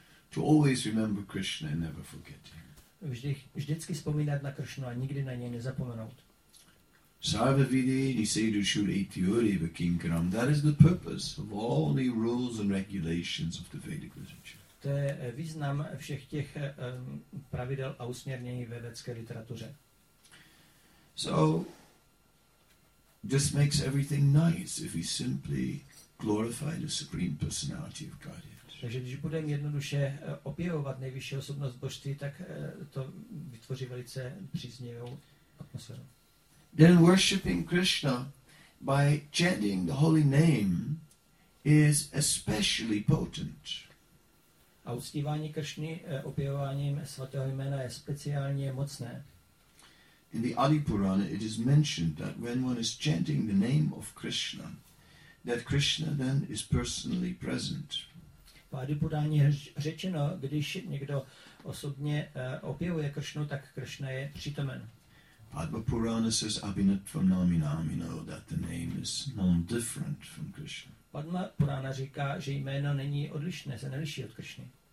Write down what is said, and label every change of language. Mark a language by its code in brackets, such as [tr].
[en] To always remember Krishna and never forget him. [cs] Vždycky vzpomínat na Krishnu a nikdy na něj nezapomenout. [sa] Sarva vidhi nisedushu etyuri vakinkaram. [en] That is the purpose of all the rules and regulations of the Vedic literature. [cs] To je význam všech těch pravidel a usměrnění ve vedské literatuře. [en] So, this makes everything nice if we simply glorify the Supreme Personality of God. [cs] Takže když budeme jednoduše objevovat nejvyšší osobnost božství, tak to vytvoří velice příznivou atmosféru. [en] Then worshiping Krishna by chanting the holy name is especially potent. [cs] A uctívání Kršny objevováním svatého jména je speciálně mocné. [en] In the Adi Purana it is mentioned that when one is chanting the name of Krishna, that Krishna then is personally present. [cs] V Adi Puráně řečeno, když někdo osobně objevuje Kršnu, tak Kršna je přítomen. [en] Padma Purana says [sa] Abhinatvam Naminamino, [en] that the name is non-different from Krishna. [cs] Padma Purana říká, že jméno není odlišné, se neliší od Kršny.